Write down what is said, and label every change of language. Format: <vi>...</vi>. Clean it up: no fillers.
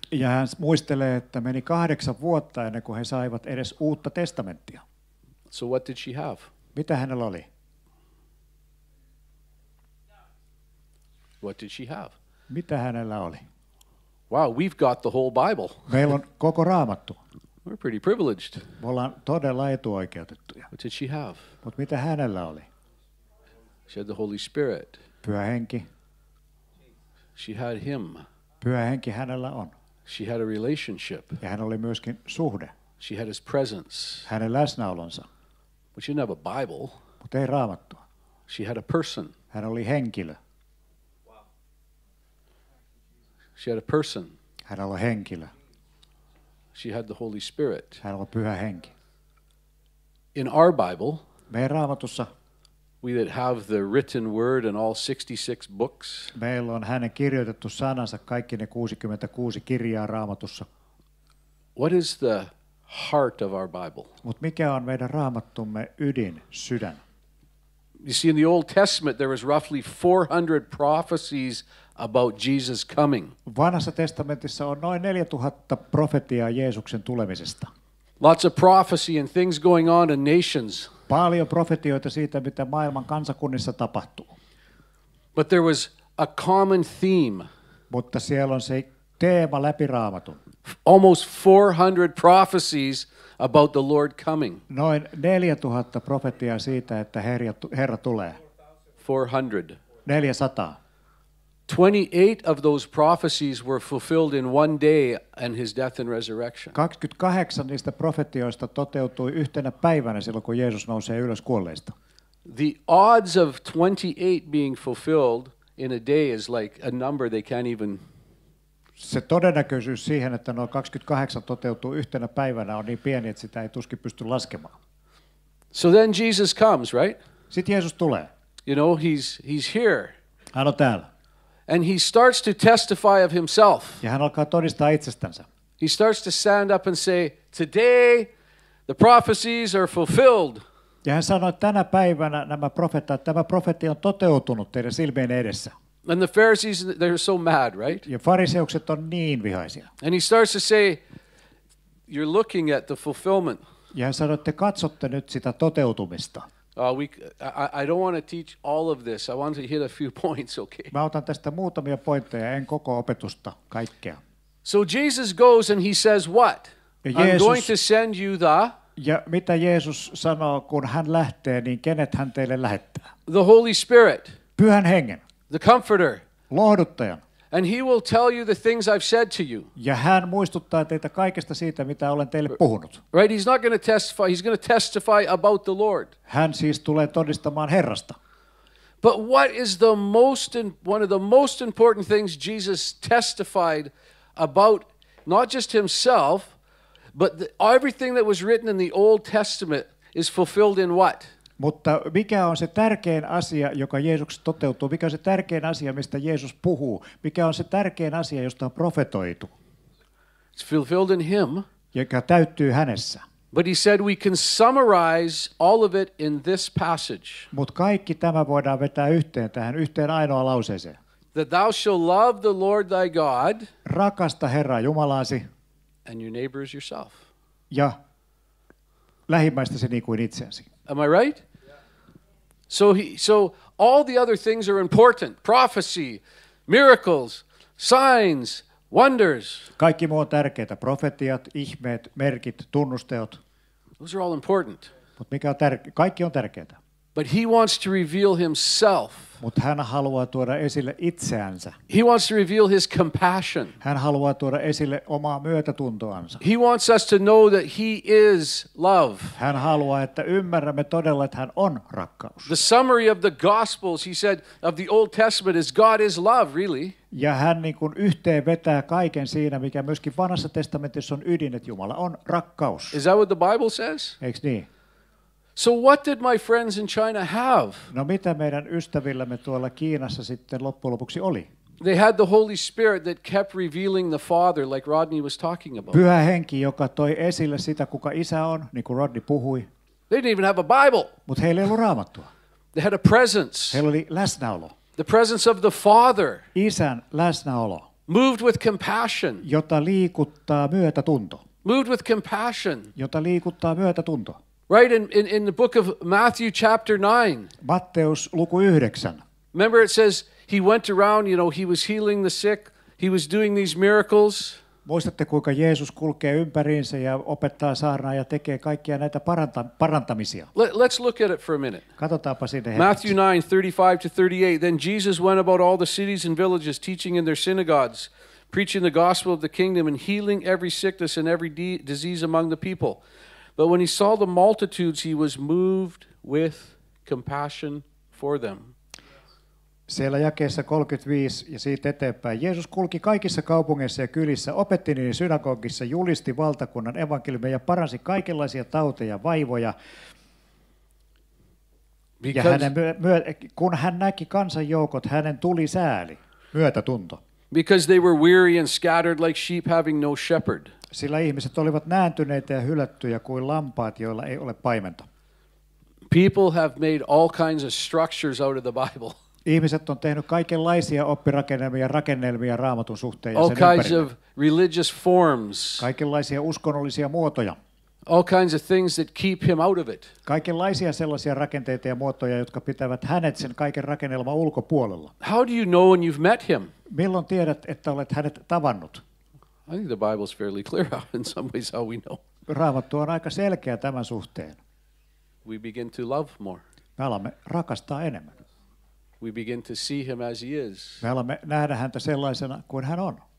<fi>Ja hän muistelee, että meni 8 vuotta ennen kuin he saivat edes uutta testamenttia.</fi> <en>So what did she have?</en> <fi>Mitä hänellä oli?</fi> <en>What did she have?</en> <fi>Mitä hänellä oli?</fi> <en>Wow, we've got the whole Bible.</en> <fi>Meillä on koko Raamattu.</fi> <en>We're pretty privileged.</en> <fi>Me ollaan todella etuoikeutettuja.</fi> <en>What did she have?</en> <fi>Mut mitä hänellä oli?</fi> <en>She had the Holy Spirit.</en> <fi>Pyhä henki.</fi> <en>She had him.</en> <fi>Pyhä henki hänellä on.</fi> <en>She had a relationship.</en> <fi>Ja hänellä oli myöskin suhde.</fi> <en>She had his presence.</en> <fi>Hänen läsnäolonsa.</fi> <en>But she didn't have a Bible.</en> <fi>Mut ei Raamattua.</fi> <en>She had a person.</en> <fi>Hän oli henkilö.</fi> <en>She had a person.</en> <fi>Hänellä oli henkilö.</fi> <en>She had the Holy Spirit.</en> <fi>Hänellä oli pyhä henki.</fi> <en>In our Bible,</en> <fi>meidän Raamatussa,</fi> <en>we that have the written word and all 66 books,</en> <fi>meillä on hänen kirjoitettu sanansa kaikki ne 66 kirjaa Raamatussa.</fi> <en>What is the heart of our Bible?</en> <fi>Mut mikä on meidän Raamattumme ydin, sydän?</fi> <en>You see, in the Old Testament, there was roughly 400 prophecies about Jesus coming.</en> <fi>Vanhassa testamentissa on noin 4000 profetiaa Jeesuksen tulemisesta.</fi> <en>Lots of prophecy and things going on in nations.</en> <fi>Paljon profetioita siitä, mitä maailman kansakunnissa tapahtuu.</fi> <en>But there was a common theme.</en> <fi>Mutta siellä on se teema läpi Raamatun.</fi> <en>Almost 400 prophecies about the Lord coming.</en> <fi>Noin 4000 profetiaa siitä, että Herra tulee.</fi> <en>400. 28 of those prophecies were fulfilled in one day and his death and resurrection.</en> <fi>28 niistä profetioista toteutui yhtenä päivänä silloin kun Jeesus nousee ylös kuolleista.</fi> <en>The odds of 28 being fulfilled in a day is like a number they can't even.</en> <fi>Se todennäköisyys siihen, että nuo 28 toteutuu yhtenä päivänä on niin pieni, että sitä ei tuskin pysty laskemaan.</fi> <en>So then Jesus comes, right?</en> <fi>Sitten Jeesus tulee.</fi> <en>You know, he's here.</en> <fi>Hän on täällä.</fi> <en>And he starts to testify of himself.</en> <fi>Ja hän alkaa todistaa itsestänsä.</fi> <en>He starts to stand up and say, today the prophecies are fulfilled.</en> <fi>Ja hän sanoi, että tänä päivänä nämä profeetat, tämä profeetti on toteutunut teidän silmien edessä.</fi> <en>And the Pharisees, they're so mad, right?</en> <fi>Ja fariseukset on niin vihaisia.</fi> <en>And he starts to say, you're looking at the fulfillment.</en> <fi>Ja hän sanoi, että katsotte nyt sitä toteutumista.</fi> <en>I don't want to teach all of this. I want to hit a few points, okay?</en> <fi>Mä otan tästä muutamia pointteja, en koko opetusta, kaikkea.</fi> <en>So Jesus goes and he says what?</en> <fi>Jeesus,</fi> <en>I'm going to send you the.</en> <fi>Ja mitä Jeesus sanoo, kun hän lähtee, niin kenet hän teille lähettää?</fi> <en>The Holy Spirit.</en> <fi>Pyhän hengen.</fi> <en>The Comforter.</en> <fi>Lohduttajan.</fi> <en>And he will tell you the things I've said to you.</en> <fi>Ja hän muistuttaa teitä kaikesta siitä, mitä olen teille puhunut.</fi> <en>Right, he's not going to testify. He's going to testify about the Lord.</en> <fi>Hän siis tulee todistamaan Herrasta.</fi> <en>But what is the most one of the most important things Jesus testified about, not just himself, but everything that was written in the Old Testament is fulfilled in what?</en> <fi>Mutta mikä on se tärkein asia, joka Jeesuksessa toteutuu? Mikä on se tärkein asia, mistä Jeesus puhuu? Mikä on se tärkein asia, josta on profetoitu?</fi> <en>It's fulfilled in him.</en> <fi>Joka täyttyy hänessä.</fi> <en>But he said we can summarize all of it in this passage.</en> <fi>Mut kaikki tämä voidaan vetää yhteen tähän yhteen ainoa lauseeseen.</fi> <en>That thou shall love the Lord thy God.</en> <fi>Rakasta Herraa Jumalaasi.</fi> <en>And your neighbor as yourself.</en> <fi>Ja lähimmäistäsi niin kuin itseäsi.</fi> <en>Am I right? So all the other things are important. Prophecy, miracles, signs, wonders.</en> <fi>Kaikki muu on tärkeitä. Profetiat, ihmeet, merkit, tunnusteot.</fi> <en>Those are all important.</en> <fi>Mut mikä on kaikki on tärkeitä.</fi> <en>But he wants to reveal himself.</en> <fi>Mutta hän haluaa tuoda esille itseänsä.</fi> <en>He wants to reveal his compassion.</en> <fi>Hän haluaa tuoda esille omaa myötätuntoansa.</fi> <en>He wants us to know that he is love.</en> <fi>Hän haluaa, että ymmärrämme todella, että hän on rakkaus.</fi> <en>The summary of the Gospels, he said, of the Old Testament is God is love, really.</en> <fi>Ja hän niin kuin yhteen vetää kaiken siinä, mikä myöskin vanhassa testamentissa on ydin, että Jumala on rakkaus.</fi> <en>Is that what the Bible says?</en> <fi>Eiks niin?</fi> <en>So what did my friends in China have?</en> <fi>No mitä meidän ystävillämme tuolla Kiinassa sitten loppujen lopuksi oli?</fi> <en>They had the Holy Spirit that kept revealing the Father, like Rodney was talking about.</en> <fi>Pyhä henki, joka toi esille sitä, kuka isä on, niin kuin Rodney puhui.</fi> <en>They didn't even have a Bible.</en> <fi>Mutta heillä ei ollut Raamattua.</fi> <en>They had a presence.</en> <fi>Heillä oli läsnäolo.</fi> <en>The presence of the Father.</en> <fi>Isän läsnäolo.</fi> <en>Moved with compassion.</en> <fi>Jota liikuttaa myötätunto.</fi> <en>Moved with compassion.</en> <fi>Jota liikuttaa myötätunto.</fi> <en>Right in the book of Matthew chapter 9.</en> <fi>Matteus luku 9.</fi> <en>Remember it says he went around, you know, he was healing the sick, he was doing these miracles.</en> <fi>Muistatte kuinka Jeesus kulkee ympäriinsä ja opettaa saarnaa ja tekee kaikkia näitä parantamisia.</fi> <en>Let's look at it for a minute.</en> <fi>Katsotaanpa sinne hetki.</fi> <en>Matthew 9:35-38. Then Jesus went about all the cities and villages teaching in their synagogues, preaching the gospel of the kingdom and healing every sickness and every disease among the people. But when he saw the multitudes, he was moved with compassion for them.</en> <fi>Siellä jakeessa 35 ja siitä eteenpäin. Jeesus kulki kaikissa kaupungeissa ja kylissä, opetti niiden synagogissa, julisti valtakunnan evankeliumia ja paransi kaikenlaisia tauteja, vaivoja. Because ja hänen kun hän näki kansanjoukot, hänen tuli sääli, myötätunto.</fi> <en>Because they were weary and scattered like sheep having no shepherd.</en> <fi>Sillä ihmiset olivat nääntyneitä ja hylättyjä kuin lampaat, joilla ei ole paimenta.</fi> <en>People have made all kinds of structures out of the Bible.</en> <fi>Ihmiset on tehnyt kaikenlaisia oppirakennelmia ja rakennelmia Raamatun suhteen ja sen ympärille.</fi> <en>All kinds of religious forms.</en> <fi>Kaikenlaisia uskonnollisia muotoja.</fi> <en>All kinds of things that keep him out of it.</en> <fi>Kaikenlaisia sellaisia rakenteita ja muotoja, jotka pitävät hänet sen kaiken rakennelman ulkopuolella.</fi> <en>How do you know when you've met him?</en> <fi>Milloin tiedät, että olet hänet tavannut?</fi> <en>I think the Bible's fairly clear in some ways how we know.</en> <fi>Raamattu on aika selkeä tämän suhteen.</fi> <en>We begin to love more.</en> <fi>Me alamme rakastaa enemmän.</fi> <en>We begin to see him as he is.</en> <fi>Me alamme nähdä häntä sellaisena kuin hän on.</fi>